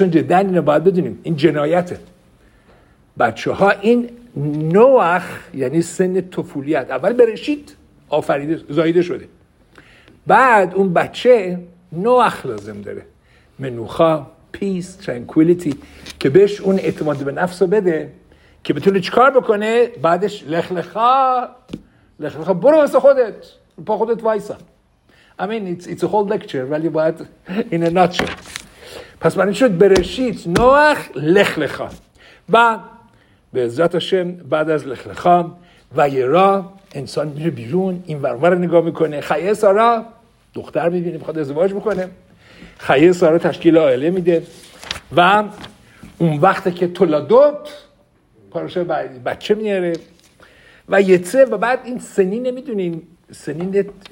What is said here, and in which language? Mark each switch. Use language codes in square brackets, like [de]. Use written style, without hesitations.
[fa] چون جدن اینو باید بدونیم این جنایته. بچه‌ها این نوح یعنی سن طفولیت، اول برشید آفریده زاییده شده، بعد اون بچه نوح لازم داره، منوخا، پیس، ترانکویلیتی، که بهش اون اعتماد به نفس رو بده که بتونه چیکار بکنه. بعدش لخ لخا برو واسه خودت، پا خودت وایسا. [en] I mean it's a whole lecture [fa] ولی باید [en] in a nutshell. [fa] پس من شد برشید نوح لخ لخا و به عزت هاشم بعد از لخ لخا و یرا انسان میره بیرون این ورور نگاه میکنه، خیه سارا دختر میبینه میخواد ازدواج بکنه، خیه سارا تشکیل آله میده و اون وقته که تولدوت پاراشای بچه میاره و یتره و بعد این سنین میدونین سنین